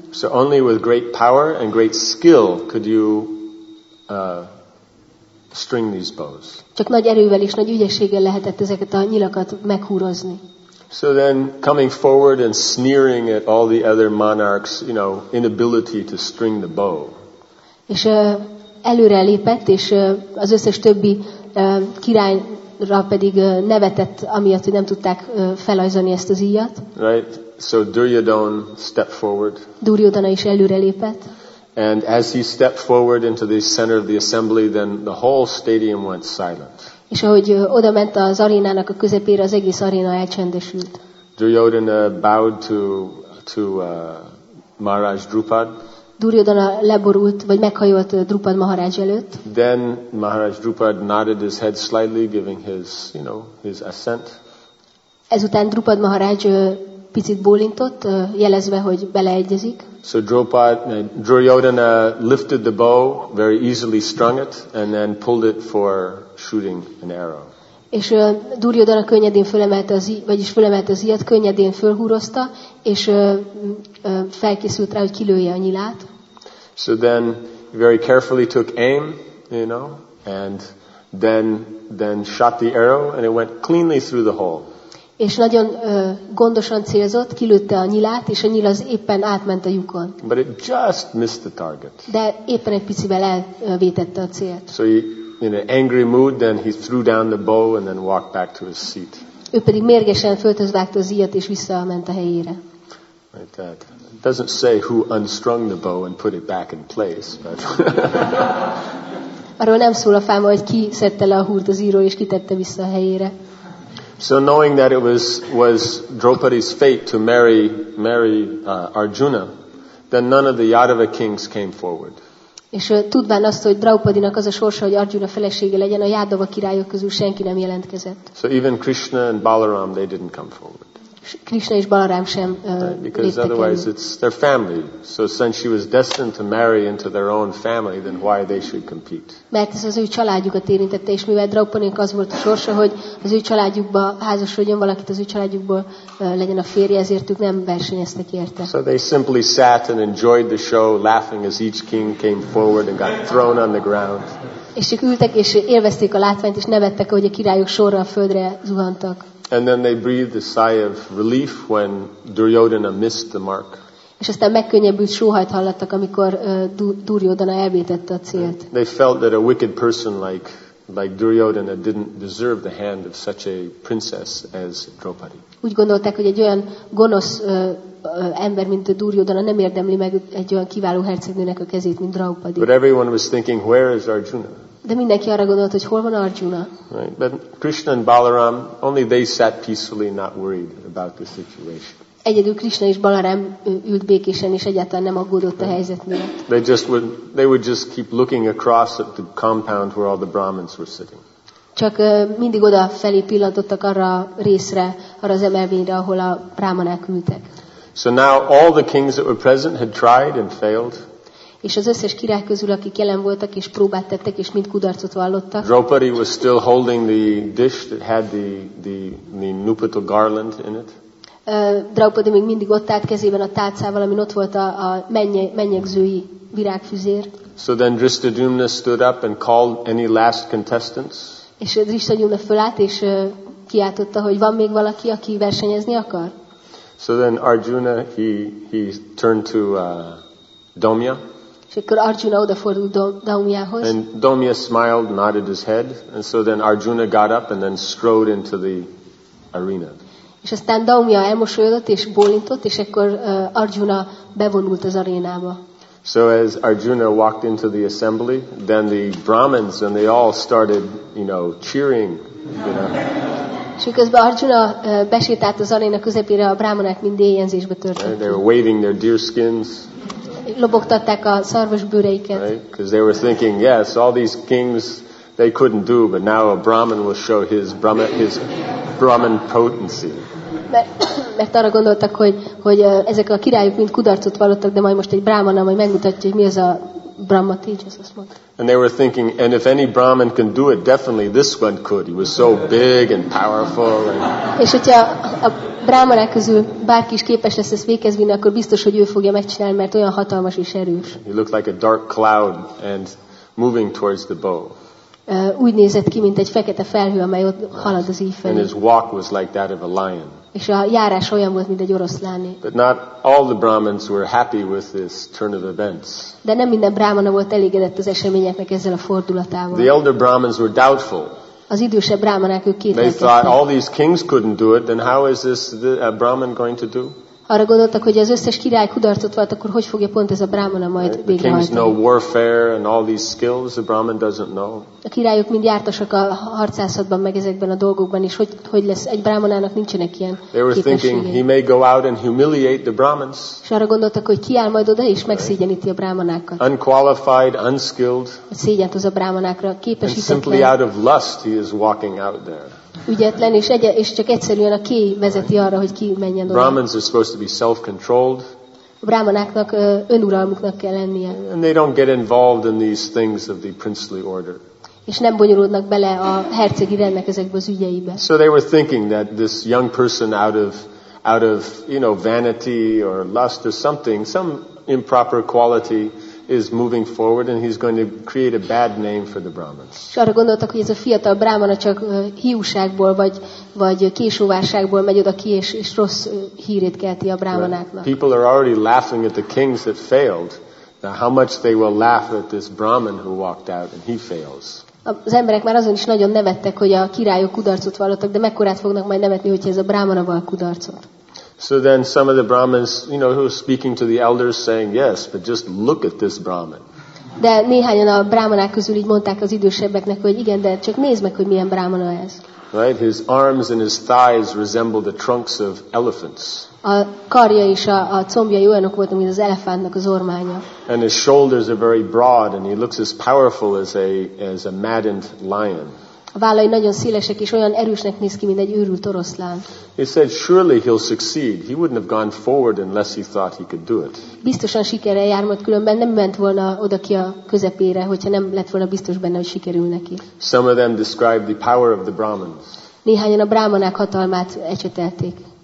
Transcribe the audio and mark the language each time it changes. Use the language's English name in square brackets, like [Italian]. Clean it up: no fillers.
[English] So only with great power and great skill could you string these bows. [Hungarian] Csak nagy erővel és nagy ügyességgel lehetett ezeket a nyilakat meghúrozni. [English] So then coming forward and sneering at all the other monarchs, you know, inability to string the bow. [Hungarian] És előre lépett, és az összes többi királyra pedig nevetett, amiatt, hogy nem tudták felajzani ezt az íjat. [English] Right, so Duryodhan stepped forward. [Hungarian] Duryodhana is előre lépett. [English] And as he stepped forward into the center of the assembly, then the whole stadium went silent. [Hungarian] És ahogy oda ment az arénának a közepére, az egész aréna elcsendesült. [English] Duryodhana bowed to Maharaj Drupad. [Hungarian] Duryodhana leborult, vagy meghajolt Drupad Maharaj előtt. [English] Then Maharaj Drupad nodded his head slightly, giving his, you know, his assent. [Hungarian] Ezután Drupad Maharaj picit bólintott, jelezve, hogy beleegyezik. [English] So Duryodhana lifted the bow, very easily strung it, and then pulled it for shooting an arrow. [Hungarian] És Duryodhana könnyedén fölemelte az vagyis fölemelte az íjat, könnyedén fölhúrozta, és felkészült rá, hogy kilője a nyilát. [English] So then very carefully took aim, you know, and then shot the arrow, and it went cleanly through the hole. [Hungarian] És nagyon gondosan célzott, kilőtte a nyilát, és a nyil az éppen átment a lyukon. [English] But it just missed the target. [Hungarian] De éppen egy picivel elvétette a célt. [English] So in an angry mood, then he threw down the bow and then walked back to his seat. [Hungarian] Ő pedig mérgesen földhöz vágta az íjat, és visszament a helyére. [English] Right, that doesn't say who unstrung the bow and put it back in place, but. [Hungarian] Arról nem szól a fáma, hogy ki szedte le a húrt az íjról, és kitette vissza a helyére. [English] So knowing that it was Draupadi's fate to marry Arjuna, then none of the Yadava kings came forward. [Hungarian] És tudván azt, hogy Draupadinak az a sorsa, hogy Arjuna felesége legyen, a Yadava királyok közül senki nem jelentkezett. [English] So even Krishna and Balaram, they didn't come forward. [Hungarian] Krishna és Balaram sem léptek. [English] Because otherwise it's their family. So since she was destined to marry into their own family, then why they should compete? [Hungarian] Mert ez az ő családjukat érintette, és mivel Draupadinak az volt a sorsa, hogy az ő családjukba házasodjon valakit, az ő családjukból legyen a férje, ezért ők nem versenyeztek érte. [English] So they simply sat and enjoyed the show, laughing as each king came forward and got thrown on the ground. [Hungarian] És ők ültek és élvezték a látványt, és nevettek, ahogy a királyok sorra a földre zuhantak. [English] And then they breathed a sigh of relief when Duryodhana missed the mark. [Hungarian] És aztán megkönnyebbült sóhajt hallottak, amikor Duryodhana elvétette a célt. [English] They felt that a wicked person like Duryodhana didn't deserve the hand of such a princess as Draupadi. [Hungarian] Úgy gondolták, hogy egy olyan gonosz ember, mint Duryodhana, nem érdemli meg egy olyan kiváló hercegnőnek a kezét, mint Draupadi. [English] But everyone was thinking, where is Arjuna? [Hungarian] De mindenki arra gondolt, hogy hol van Arjuna. [English] Right. But Krishna and Balaram, only they sat peacefully, not worried about the situation. [Hungarian] Egyedül Krishna és Balaram ült békésen, és egyáltalán nem aggódott a helyzet miatt. [English] They would just keep looking across at the compound where all the Brahmins were sitting. [Hungarian] Csak mindig oda felé pillantottak arra részre, arra az emelvényre, ahol a brámanák ültek. [English] So now all the kings that were present had tried and failed. [Hungarian] És az összes király közül, akik jelen voltak és próbát tettek és mind kudarcot vallottak. [English] Draupadi was still holding the dish that had the nuptial garland in it. [Hungarian] Draupadi még mindig ott állt kezében a tálcával, amin ott volt a mennyegzői virágfüzér. [English] So then Drishtadyumna stood up and called any last contestants. [Hungarian] És Drishtadyumna fölállt és kiáltotta, hogy van még valaki, aki versenyezni akar. [English] So then Arjuna he turned to Domya. [Hungarian] És akkor Arjuna odafordult Daumyához. [English] And Domya smiled, nodded his head, and so then Arjuna got up and then strode into the arena. [Hungarian] És aztán Daumya elmosolyodott és bólintott, és akkor Arjuna bevonult az arénába. [English] So as Arjuna walked into the assembly, then the Brahmins and they all started, you know, cheering, you know. [Hungarian] És miközben Arjuna besétált az aréna közepére, a brámanák mind éjjenzésbe törtek. [English] They were waving their deer skins. [Hungarian] Lobogtatták a szarvas bőreiket. [English] Right? Because they were thinking, yes, all these kings they couldn't do, but now a Brahmin will show his Brahmin potency. [Hungarian] Mert arra gondoltak, hogy ezek a királyok mind kudarcot vallottak, de majd most egy brámana majd megmutatja, hogy mi az a Brahma tejas, azt mondta. [English] And they were thinking, and if any Brahmin can do it, definitely this one could. He was so big and powerful. [Hungarian] És hogyha a brámanák közül bárki is képes lesz ezt végezni, akkor biztos, hogy ő fogja megcsinálni, mert olyan hatalmas és erős. [English] He looked like a dark cloud and moving towards the bow. [Hungarian] Úgy nézett ki, mint egy fekete felhő, amely ott halad az íj felé. [English] And his walk was like that of a lion. [Hungarian] És a járás olyan volt, mint egy oroszláné. [English] But not all the Brahmins were happy with this turn of events. [Hungarian] De nem minden brámana volt elégedett az eseményeknek ezzel a fordulatával. [English] The elder Brahmins were doubtful. [Hungarian] Az idősebb brámanák ők kétlekedtek. [English] They thought all these kings couldn't do it, then how is this a Brahmin going to do? [Hungarian] Arra gondoltak, hogy az összes király kudarcot vált, akkor hogy fogja pont ez a brámana majd végrehajtani? [English] The kings know warfare and all these skills the Brahmin doesn't know. [Hungarian] A királyok mind jártasak a harcászatban, meg ezekben a dolgokban, és hogy lesz egy brámanának nincsenek ilyen képességei. [English] They were thinking he may go out and humiliate the Brahmins. [Hungarian] És arra gondoltak, hogy kiáll majd oda és megszégyeníti a brámanákat. [English] Unqualified, unskilled. [Hungarian] Szégyent az a brámanákra, képesítetlen. [English] And simply out of lust he is walking out there. [Hungarian] Ügyetlen és csak egyszerűen a kéj vezeti arra, hogy ki menjen oda. [English] Brahmins are supposed to be self-controlled. [Hungarian] Brahmanáknak önuralmuknak kell lennie. [English] And they don't get involved in these things of the princely order. [Hungarian] És nem bonyolódnak bele a hercegi rendnek ezekbe az ügyeibe. [English] So they were thinking that this young person out of you know vanity or lust or something, some improper quality is moving forward and he's going to create a bad name for the Brahmins. [Hungarian] Arra gondoltak, hogy ez a fiatal brámana csak hiúságból vagy késóvárságból megy oda ki és rossz hírét kelti a brámanáknak. [English] People are already laughing at the kings that failed. Now how much they will laugh at this Brahmin who walked out and he fails. [Hungarian] Az emberek már azon is nagyon nevettek, hogy a királyok kudarcot vallottak, de mekkorát fognak majd nevetni, hogyha ez a brámana vall kudarcot. [English] So then some of the Brahmins, you know, who were speaking to the elders saying, yes, but just look at this Brahmin. [Hungarian] De néhányan a brámanák közül így mondták az idősebbeknek, hogy igen, de csak nézd meg, hogy milyen brámana ez. [English] Right? His arms and his thighs resemble the trunks of elephants. [Hungarian] A karja és a combjai olyanok voltak, mint az elefántnak az ormánya. [English] And his shoulders are very broad and he looks as powerful as a maddened lion. [Hungarian] A vállai nagyon szélesek és olyan erősnek néz ki, mint egy őrült oroszlán. [English] He said, surely he'll succeed. He wouldn't have gone forward unless he thought he could do it. [Hungarian] Biztosan sikerrel jár, különben nem ment volna oda ki a közepére, hogyha nem lett volna biztos benne, hogy sikerül neki. [English] Some of them described the power of the Brahmins. [Hungarian] Néhányan a brámanák hatalmát ecsetelték.